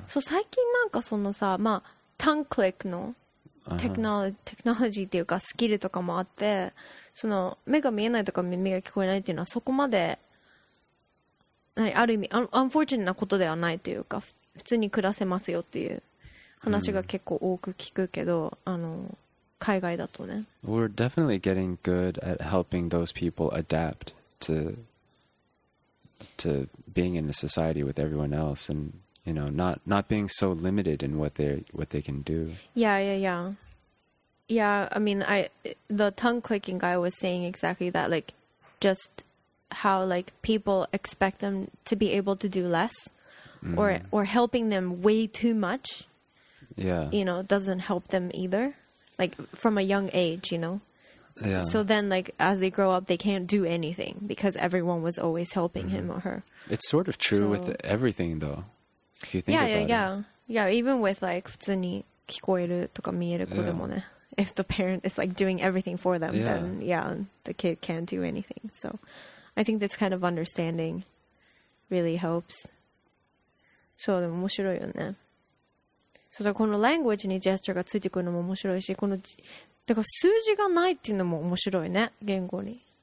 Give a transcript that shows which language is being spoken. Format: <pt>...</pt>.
<ja>So 最近なんかそのさ、まあ、tongue click のテクノロジーっていうかスキルとかもあって、その目が見えないとか耳が聞こえないっていうのはそこまで、ある意味 unfortunate なことではないというか、普通に暮らせますよっていう話が結構多く聞くけど、あの海外だとね。</ja> <en>We're definitely getting good at helping those people adapt to being in a society with everyone else, and you know, not being so limited in what they can do. Yeah, yeah, yeah, yeah. I mean, the tongue clicking guy was saying exactly that, like just how like people expect them to be able to do less. Or helping them way too much, yeah. You know, doesn't help them either. Like from a young age, you know. Yeah. So then, like as they grow up, they can't do anything because everyone was always helping him or her. It's sort of true with everything, though. If you think about it. Even with like</en> <ja>普通に聞こえるとか見える子でもね。</ja> <en>If the parent is like doing everything for them, then the kid can't do anything. So, I think this kind of understanding really helps.</en> <ja>そうでも面白いよね。そうだ、この language にジェスチャーがついてくるのも面白いし、このだから数字がないっていうのも面白いね、言語に。</ja>